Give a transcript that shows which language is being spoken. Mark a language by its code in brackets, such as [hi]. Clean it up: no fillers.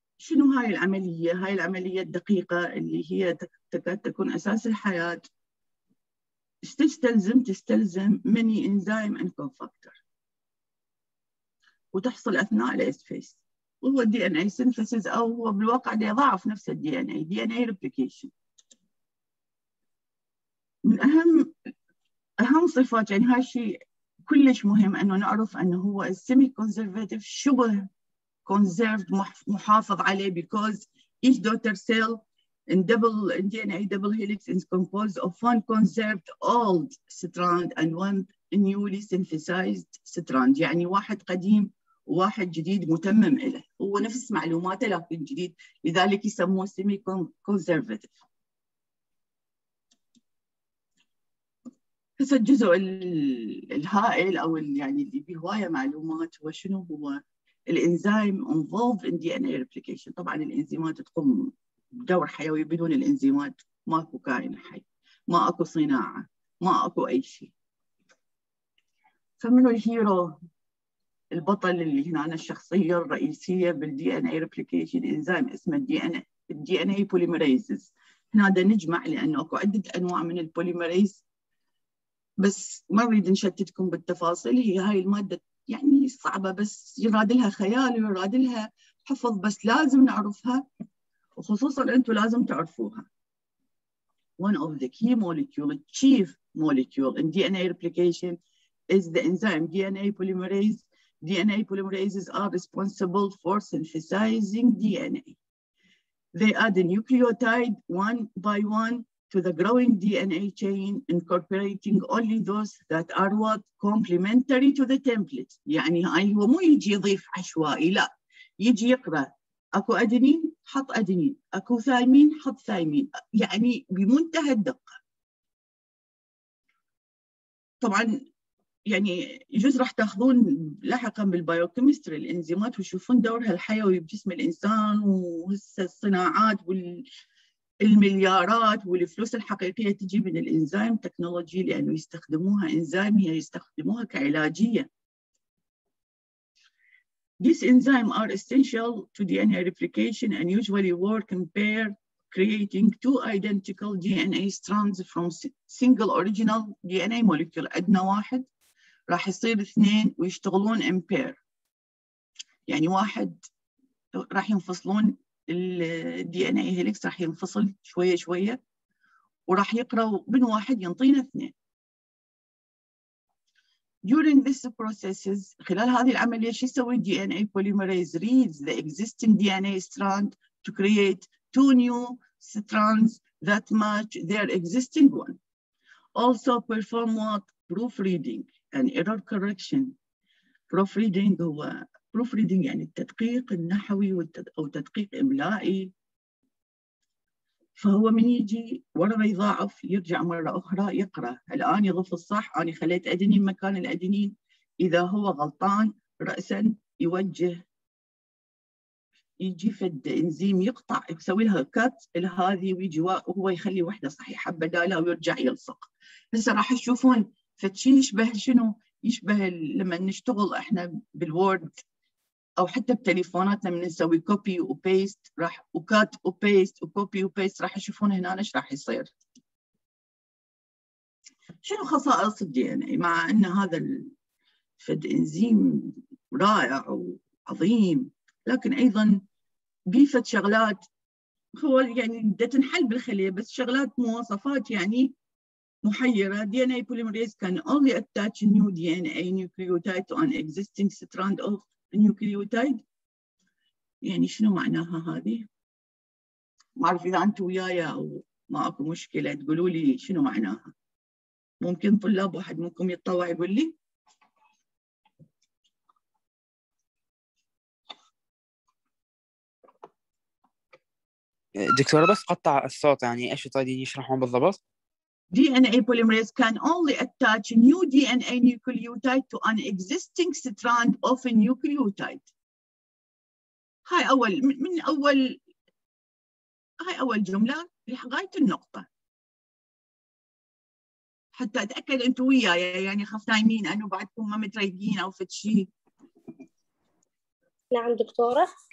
[ar] شنو هاي العملية؟ هاي العملية الدقيقة اللي هي تكاد تكون أساس الحياة. إيش تستلزم؟ تستلزم [en] many enzyme and cofactor, [ar] وتحصل أثناء الأسفيس، وهو الدي إن إي سينثيسيس، أو هو بالواقع يضاعف نفس الدي إن إي، دي إن إي ريبليكيشن. من أهم صفات، يعني هاي الشيء كلش مهم أنه نعرف أنه هو السيمي كونزرفاتيف، شبه [en] conserved، [ar] محافظ عليه، [en] because each daughter cell in double in DNA double helix is composed of one conserved old strand and one newly synthesized strand. [ar] يعني واحد قديم وواحد جديد متمم له، هو نفس معلوماته لكن جديد، لذلك يسموه semi conservative. هسه الجزء الهائل او يعني اللي به هوايه معلومات هو شنو هو الانزيم [en] involved in DNA replication. [ar] طبعا الانزيمات تقوم بدور حيوي، بدون الانزيمات ماكو كائن حي، ما اكو صناعه، ما اكو اي شيء. فمنو الهيرو، البطل اللي هنا أنا الشخصيه الرئيسيه بالدي ان اي ريبليكيشن، انزيم اسمه الدي ان اي بوليمريزز. هنا دا نجمع لانه اكو عده انواع من البوليمريز، بس ما اريد نشتتكم بالتفاصيل. هي هاي الماده يعني صعبة، بس يراد لها خيال ويراد لها حفظ، بس لازم نعرفها، وخصوصا انتم لازم تعرفوها. [en] One of the key molecules, chief molecule in DNA replication is the enzyme DNA polymerase. DNA polymerases are responsible for synthesizing DNA. They add a nucleotide one by one to the growing DNA chain, incorporating only those that are what complementary to the template. [ar] يعني هاي هو مو يجي يضيف عشوائي، لا، يجي يقرأ أكو أدنين حط أدنين، أكو ثايمين حط ثايمين، يعني بمنتهى الدقة. طبعا يعني يجوز راح تاخذون لاحقا بالبايوكيمستري الإنزيمات، وشوفون دورها الحيوي بجسم الإنسان، وهسه الصناعات المليارات والفلوس الحقيقية تجي من الإنزيم تكنولوجي، لأنه يستخدموها إنزيم، هي يستخدموها كعلاجية. [en] These enzymes are essential to DNA replication and usually work in pair, creating two identical DNA strands from single original DNA molecule. [ar] عندنا واحد راح يصير اثنين ويشتغلون [en] in pair، [ar] يعني واحد راح ينفصلون الـ DNA helix، راح ينفصل شوية شوية وراح يقرأ من واحد ينطينا اثنين. [en] During this processes، [ar] خلال هذه العملية شو يسوي [en] DNA polymerase؟ Reads the existing DNA strand to create two new strands that match their existing one. Also perform what? Proofreading and error correction. [ar] Proofreading هو proofreading يعني التدقيق النحوي أو تدقيق إملائي. فهو من يجي ورا ما يضاعف يرجع مرة أخرى يقرأ، الآن يضيف الصح، أنا خليت أدنين مكان الأدنين، إذا هو غلطان رأسا يوجه يجي في الإنزيم يقطع يسوي لها كات لهذه، ويجي وهو يخلي واحدة صحيحة بدالها ويرجع يلصق. هسه راح تشوفون فتشي يشبه شنو، يشبه لما نشتغل إحنا بالوورد أو حتى بتليفوناتنا، من نسوي كوبي وبيست راح وكات وبيست وكوبي وبيست، راح يشوفون هنا ايش راح يصير. شنو خصائص الدي ان اي؟ مع ان هذا الفد انزيم رائع وعظيم، لكن ايضا بيفت شغلات، هو يعني دا تنحل بالخلية، بس شغلات مواصفات يعني محيرة. [en] DNA polymerase can only attach new DNA nucleotide to an existing strand of nucleotide. [ar] يعني شنو معناها هذه؟ ما أعرف إذا أنت وياي أو ما أكو مشكلة تقولوا لي شنو معناها. ممكن طلاب واحد منكم يتطوع يقول لي. دكتورة بس قطع الصوت، يعني إيش تريدين يشرحون بالضبط؟ [en] DNA polymerase can only attach new DNA nucleotide to an existing strand of a nucleotide. [ar] هاي أول من أول، هاي أول جملة لغاية النقطة. حتى أتأكد أنتوا وياي، يعني خفت نايمين أنا وبعدكم ما متريقين أو فتشي. نعم دكتورة.